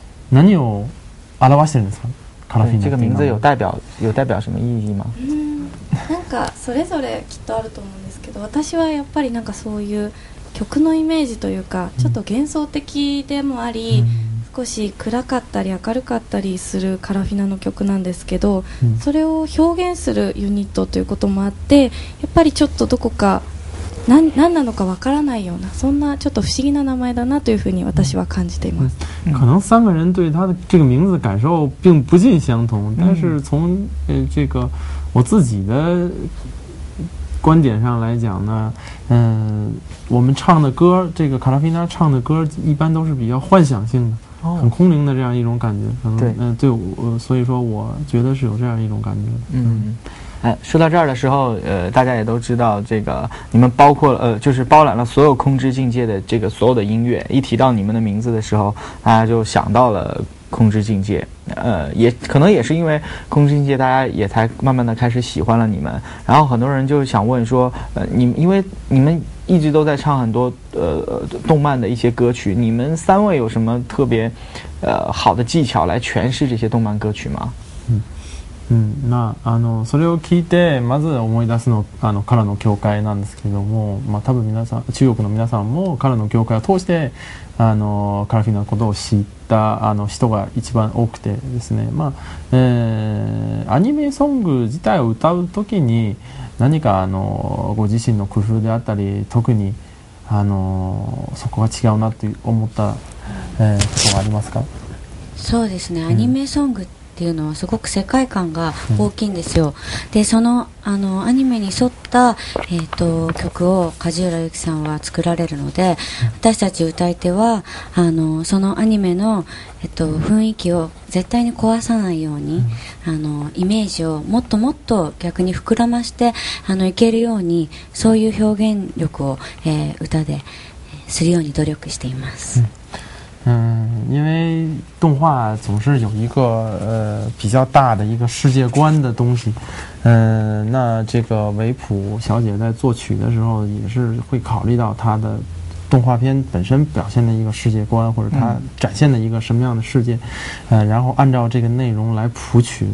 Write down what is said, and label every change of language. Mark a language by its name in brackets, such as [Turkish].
[Japanese] 何を表してるんですか？ [Chinese] カラフィナ。这个名字有代表什么意义吗？ [Japanese] なんかそれぞれきっとあると思うんですけど、私はやっぱりなんかそういう曲のイメージというか、ちょっと幻想的でもあり、少し暗かったり明るかったりするカラフィナの曲なんですけど、それを表現するユニットということもあって、やっぱりちょっとどこか何なのかわからないような、そんなちょっと不思議な名前だなというふうに私は感じています。 [Chinese] 可能三个人对他的这个名字感受并不尽相同，但是从这个我自己的观点上来讲呢，我们唱的歌，这个卡拉菲娜唱的歌一般都是比较幻想性的，很空灵的这样一种感觉，可能对我，所以说我觉得是有这样一种感觉。说到这儿的时候，大家也都知道，这个你们包括就是包揽了所有空之境界的这个所有的音乐。一提到你们的名字的时候，大家就想到了空之境界。也可能也是因为空之境界，大家也才慢慢的开始喜欢了你们。然后很多人就想问说，你因为你们一直都在唱很多动漫的一些歌曲，你们三位有什么特别好的技巧来诠释这些动漫歌曲吗？ [Japanese] まあ、それを聞いてまず思い出すのはカラの教会なんですけども、まあ、多分皆さん中国の皆さんもカラの教会を通してカラフィナのことを知った人が一番多くてですね、まあアニメソング自体を歌うときに何かご自身の工夫であったり、特にそこが違うなと思ったことはありますか？そうですね、アニメソングってっていうのはすごく世界観が大きいんですよ。で、その、アニメに沿った、曲を梶浦由紀さんは作られるので、私たち歌い手はそのアニメの、雰囲気を絶対に壊さないように、イメージをもっともっと逆に膨らましていけるように、そういう表現力を、歌でするように努力しています。 [Chinese] 因为动画总是有一个比较大的一个世界观的东西，那这个维普小姐在作曲的时候也是会考虑到她的动画片本身表现的一个世界观，或者她展现的一个什么样的世界，然后按照这个内容来谱曲。